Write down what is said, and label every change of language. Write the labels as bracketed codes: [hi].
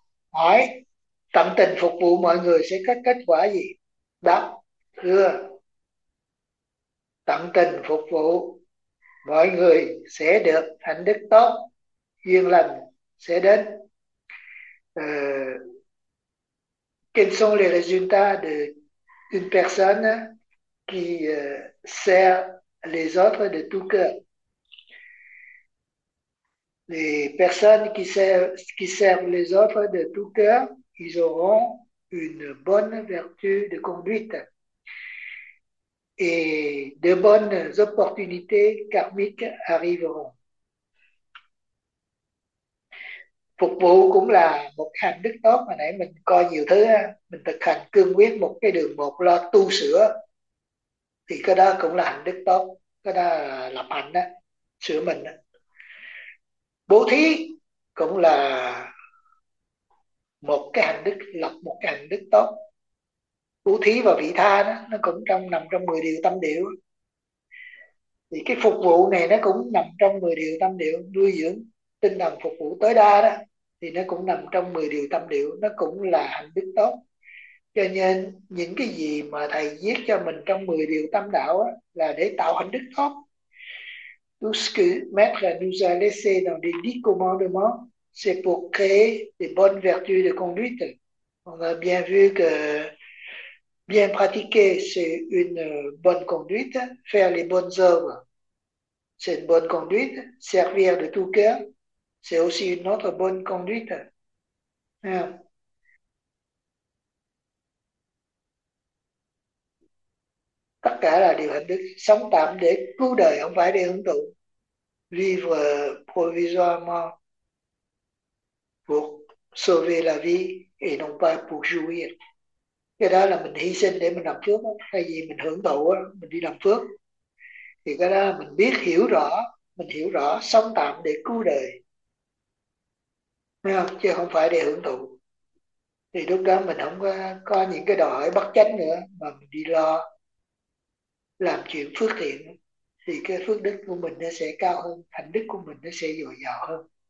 [vi] Hỏi, tận tình phục vụ mọi người sẽ có kết quả gì? Đáp, thưa, tận tình phục vụ mọi người sẽ được hạnh đức tốt, duyên lành sẽ đến. [fr] Quelles sont les résultats d'une personne qui sert les autres de tout cœur? Les personnes qui servent les autres de tout cœur, ils auront une bonne vertu de conduite et de bonnes opportunités karmiques arriveront. [vi] Phục vụ cũng là một hạnh đức tốt. Hồi nãy mình coi nhiều thứ ha. Mình thực hành cương quyết một cái đường một lo tu sửa thì cái đó cũng là hạnh đức tốt, cái đó là lập hạnh đó, sửa mình đó. Bố thí cũng là một cái hạnh đức, lập một cái hạnh đức tốt. Bố thí và vị tha đó, nó cũng trong nằm trong 10 điều tâm điều. Thì cái phục vụ này nó cũng nằm trong 10 điều tâm điều, nuôi dưỡng tinh thần phục vụ tối đa đó thì nó cũng nằm trong 10 điều tâm điều, nó cũng là hạnh đức tốt. Cho nên những cái gì mà thầy viết cho mình trong 10 điều tâm đạo đó, là để tạo hạnh đức tốt. [fr] Tout ce que maître nous a laissé dans les 10 commandements, c'est pour créer des bonnes vertus de conduite. On a bien vu que bien pratiquer, c'est une bonne conduite. Faire les bonnes œuvres, c'est une bonne conduite. Servir de tout cœur, c'est aussi une autre bonne conduite. [vi] Tất cả là điều hạnh đức. Sống tạm để cứu đời, không phải để hưởng thụ. [fr] Vivre provisoirement pour sauver la vie et non pas pour jouir. [vi] Cái đó là mình hy sinh để mình làm phước đó. Thay vì mình hưởng thụ đó, mình đi làm phước. Thì cái đó mình biết hiểu rõ, mình hiểu rõ sống tạm để cứu đời. Thấy không? Chứ không phải để hưởng thụ. Thì lúc đó mình không có những cái đòi hỏi bất chánh nữa, mà mình đi lo làm chuyện phước thiện thì cái phước đức của mình nó sẽ cao hơn, hạnh đức của mình nó sẽ dồi dào hơn.